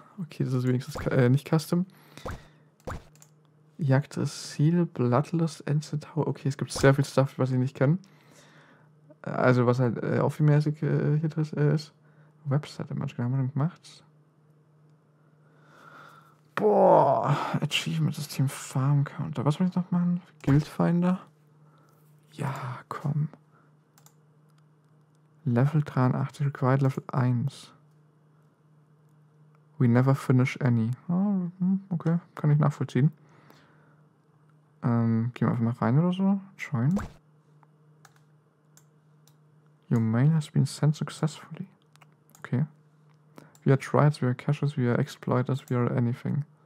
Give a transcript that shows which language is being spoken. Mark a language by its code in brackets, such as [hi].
[de] Okay, das ist wenigstens nicht custom. Jagd des Seal, Bloodlust, Enzentau. Okay, es gibt sehr viel Stuff, was ich nicht kenne. Also, was halt auch viel mäßig hier drin ist. Webseite manchmal haben wir dann gemacht. Boah, Achievement System Farm Counter. Was muss ich noch machen? Guildfinder? Ja, komm. [en] Level 83, required Level 1. We never finish any. [de] Oh, okay, kann ich nachvollziehen. Gehen wir einfach mal rein oder so. [en] Join. Your mail has been sent successfully. Okay. We are triads, we are caches, we are exploiters, we are anything.